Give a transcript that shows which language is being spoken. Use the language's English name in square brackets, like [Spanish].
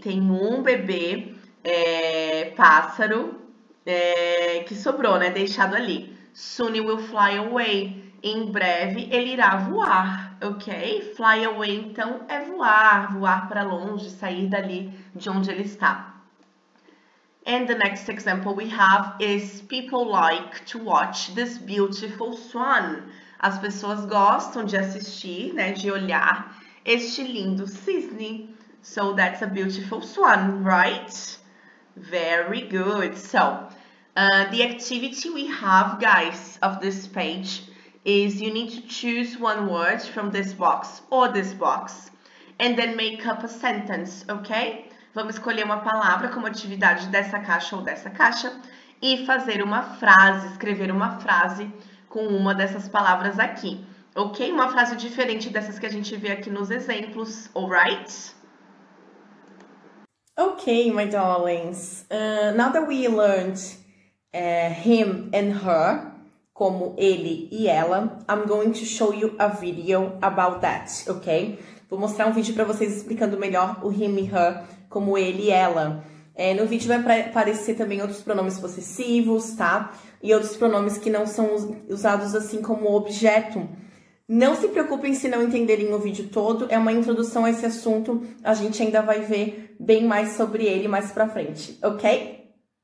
[Portuguese] Tem um bebê pássaro que sobrou, né? Deixado ali. [English] Soon it will fly away. [Portuguese] Em breve ele irá voar, ok? [English] Fly away, [Portuguese] então, é voar. Voar para longe, sair dali de onde ele está. [English] And the next example we have is people like to watch this beautiful swan. [Portuguese] As pessoas gostam de assistir, né, de olhar este lindo cisne. [English] So that's a beautiful swan, right? Very good. So, the activity we have, guys, of this page is you need to choose one word from this box or this box and then make up a sentence, okay? [Portuguese] Vamos escolher uma palavra como atividade dessa caixa ou dessa caixa e fazer uma frase, escrever uma frase com uma dessas palavras aqui, ok? Uma frase diferente dessas que a gente vê aqui nos exemplos, alright? [English] Okay, my darlings. Now that we learned him and her, [Portuguese] como ele e ela, [English] I'm going to show you a video about that, ok? [Portuguese] Vou mostrar um vídeo para vocês explicando melhor o him e her, como ele e ela. No vídeo vai aparecer também outros pronomes possessivos, tá? E outros pronomes que não são usados assim como objeto Não se preocupem se não entenderem o vídeo todo, é uma introdução a esse assunto, a gente ainda vai ver bem mais sobre ele mais pra frente, ok?